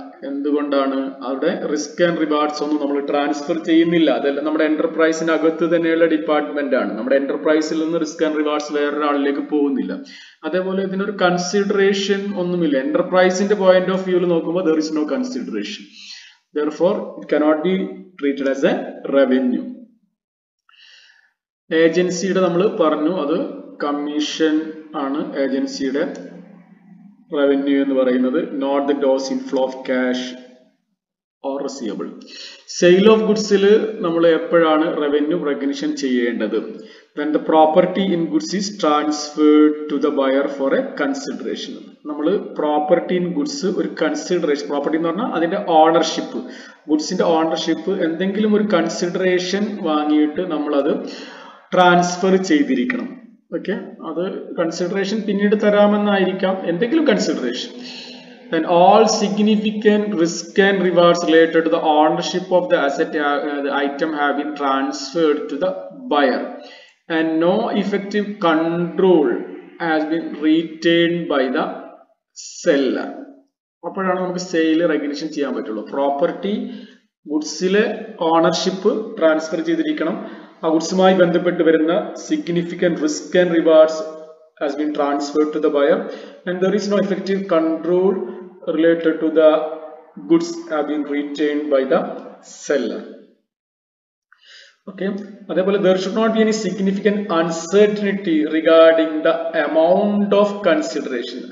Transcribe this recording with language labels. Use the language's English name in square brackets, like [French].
[Malayalam] എന്തുകൊണ്ടാണ്, അവിടെ risk and rewards ഒന്നും നമ്മൾ ട്രാൻസ്ഫർ ചെയ്യുന്നില്ല, അതെല്ലാം നമ്മുടെ എന്റർപ്രൈസിന്റെ അകത്ത് തന്നെയുള്ള ഡിപ്പാർട്ട്മെന്റ് ആണ്. നമ്മുടെ എന്റർപ്രൈസിൽ നിന്ന് റിസ്ക് ആൻഡ് റിവാർഡ്സ് വേറൊരാളിലേക്ക് പോകുന്നില്ല. അതേപോലെ ഇതിനൊരു കൺസിഡറേഷൻ ഒന്നുമില്ല, എന്റർപ്രൈസിന്റെ പോയിന്റ് ഓഫ് വ്യൂവിൽ നോക്കുമ്പോൾ [English] There is no consideration. Therefore, it cannot be treated as a revenue. [Malayalam] ഏജൻസിയുടെ നമ്മൾ പറഞ്ഞു, അത് കമ്മീഷൻ ആണ് ഏജൻസിയുടെ റവന്യൂ എന്ന് പറയുന്നത്, [English] Not the gross inflow of cash or receivable. [Malayalam] Sale of ഗുഡ്സിൽ നമ്മൾ എപ്പോഴാണ് റവന്യൂ റെക്കഗ്നിഷൻ ചെയ്യേണ്ടത്? [English] Then the property in goods is transferred to the buyer for a consideration. [Malayalam] നമ്മൾ പ്രോപ്പർട്ടി ഇൻ ഗുഡ്സ് ഒരു കൺസിഡറേഷൻ, പ്രോപ്പർട്ടി എന്ന് പറഞ്ഞാൽ അതിന്റെ ഓണർഷിപ്പ്, ഗുഡ്സിന്റെ ഓണർഷിപ്പ് എന്തെങ്കിലും ഒരു കൺസിഡറേഷൻ വാങ്ങിയിട്ട് നമ്മളത് ട്രാൻസ്ഫർ ചെയ്തിരിക്കണം. ഓക്കെ, അത് കൺസിഡറേഷൻ പിന്നീട് തരാമെന്നായിരിക്കാം എന്തെങ്കിലും consideration. [English] Then all significant risk and rewards related to the ownership of the asset, the item have been transferred to the buyer and no effective control has been retained by the seller. [Malayalam] അപ്പോഴാണ് നമുക്ക് sale recognition ചെയ്യാൻ പറ്റുള്ളൂ. Property ഗുഡ്സിലെ ownership transfer ചെയ്തിരിക്കണം. ആ ഗുഡ്സുമായി ബന്ധപ്പെട്ട് വരുന്ന [English] Significant risk and rewards has been transferred to the buyer and there is no effective control related to the goods have been retained by the seller. Okay, adepole there should not be any significant uncertainty regarding the amount of consideration.